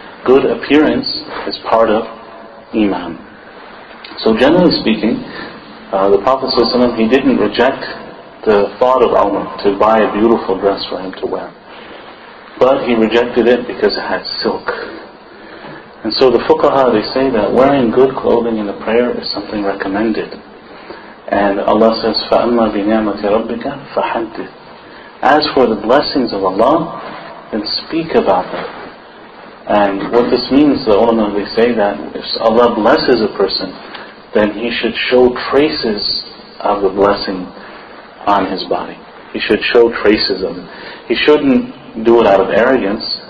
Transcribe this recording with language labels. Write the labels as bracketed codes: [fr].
[en] Good appearance is part of iman. So generally speaking, the Prophet ﷺ, he didn't reject the thought of Umar to buy a beautiful dress for him to wear. But he rejected it because it had silk. And so the fuqaha, they say that wearing good clothing in a prayer is something recommended. And Allah says, [ar] فَأَمَّا بِنِعْمَةِ رَبِّكَ فَحَدِّثْ. [en] As for the blessings of Allah, then speak about them. And what this means, the ulama, they say that if Allah blesses a person, then he should show traces of the blessing on his body. He should show traces of it. He shouldn't do it out of arrogance.